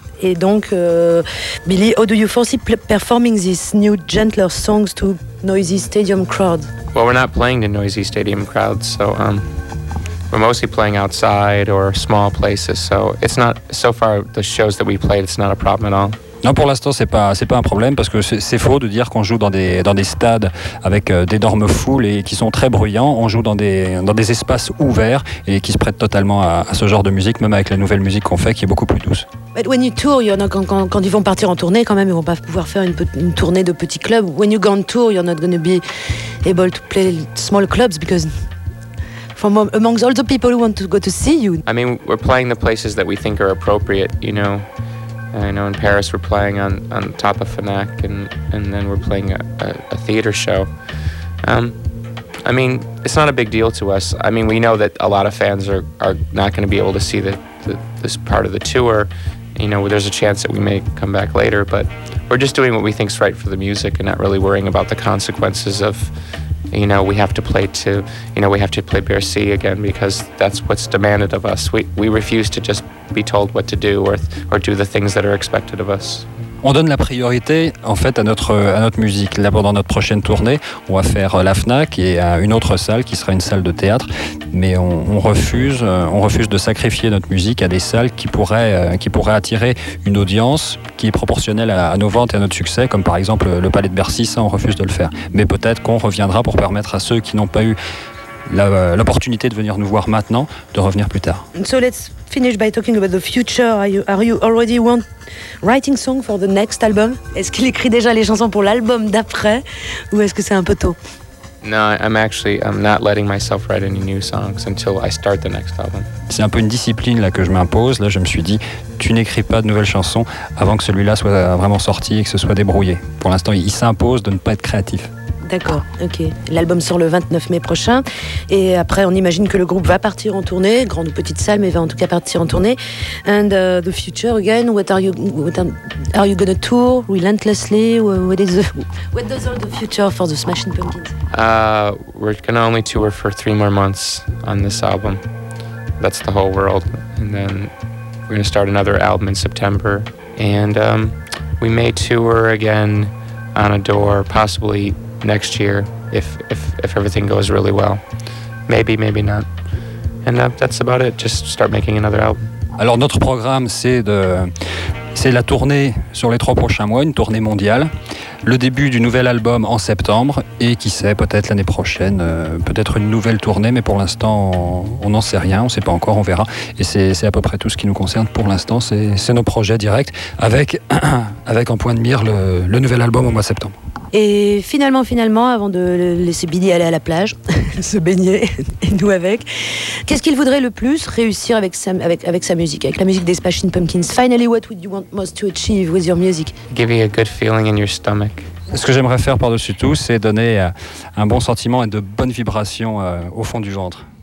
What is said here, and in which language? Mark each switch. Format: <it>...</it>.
<fr>Et donc,</fr> <en>Billy, how do you foresee performing these new gentler songs to noisy stadium crowds? Well, we're not playing to noisy stadium crowds, so... We're mostly playing outside or small places, so it's not so far the shows that we played. It's not a problem at all.</en> <fr>Non, pour l'instant, c'est pas un problème parce que c'est faux de dire qu'on joue dans des stades avec d'énormes foules et qui sont très bruyants. On joue dans des espaces ouverts et qui se prêtent totalement à ce genre de musique, même avec la nouvelle musique qu'on fait, qui est beaucoup plus douce.</fr> <en>But when you tour, you're not</en> <fr>quand ils vont partir en tournée, quand même, ils vont pas pouvoir faire une tournée de petits clubs.</fr> <en>When you go on tour, you're not going to be able to play small clubs because amongst all the people who want to go to see you. I mean, we're playing the places that we think are appropriate, you know. I know in Paris we're playing on top of Fnac and then we're playing a theater show. I mean, it's not a big deal to us. I mean, we know that a lot of fans are not going to be able to see this part of the tour. You know, there's a chance that we may come back later, but we're just doing what we think's right for the music and not really worrying about the consequences of... You know, we have to play to, you know, we have to play Bercy again because that's what's demanded of us. We refuse to just be told what to do or do the things that are expected of us.</en> <fr>On donne la priorité, en fait, à notre musique. Là, pendant notre prochaine tournée, on va faire la Fnac et à une autre salle qui sera une salle de théâtre. Mais on refuse de sacrifier notre musique à des salles qui pourraient attirer une audience qui est proportionnelle à nos ventes et à notre succès, comme par exemple le Palais de Bercy. Ça, on refuse de le faire. Mais peut-être qu'on reviendra pour permettre à ceux qui n'ont pas eu l'opportunité de venir nous voir maintenant, de revenir plus tard.</fr> <en>So let's finish by talking about the future. Are you already writing song for the next album?</en> <fr>Est-ce qu'il écrit déjà les chansons pour l'album d'après ou est-ce que c'est un peu tôt?</fr> <en>No, I'm not letting myself write any new songs until I start the next album.</en> <fr>C'est un peu une discipline là que je m'impose. Là, je me suis dit, tu n'écris pas de nouvelles chansons avant que celui-là soit vraiment sorti et que ce soit débrouillé. Pour l'instant, il s'impose de ne pas être créatif. D'accord, ok. L'album sort le 29 mai prochain. Et après, on imagine que le groupe va partir en tournée, grande ou petite salle, mais va en tout cas partir en tournée.</fr> <en>And the future again, what are you going to tour relentlessly? What does all the future for the Smashing Pumpkins? We're going to only tour for 3 more months on this album. That's the whole world. And then we're going to start another album in September. And we may tour again on a door, possibly... next year if everything goes really well, maybe not, and that's about it. Just start making another album.</en> <fr>Alors notre programme c'est la tournée sur les 3 prochains mois, une tournée mondiale, le début du nouvel album en septembre, et qui sait, peut-être l'année prochaine, peut-être une nouvelle tournée, mais pour l'instant on n'en sait rien, on ne sait pas encore, on verra. Et c'est à peu près tout ce qui nous concerne pour l'instant, c'est nos projets directs avec en point de mire le nouvel album au mois de septembre. Et finalement, avant de laisser Billy aller à la plage, se baigner, et nous avec, qu'est-ce qu'il voudrait le plus réussir avec sa musique, avec la musique des Smashing Pumpkins?</fr> <en>Finally, what would you want most to achieve with your music? Give you a good feeling in your stomach.</en> <fr>Ce que j'aimerais faire par-dessus tout, c'est donner un bon sentiment et de bonnes vibrations au fond du ventre.</fr>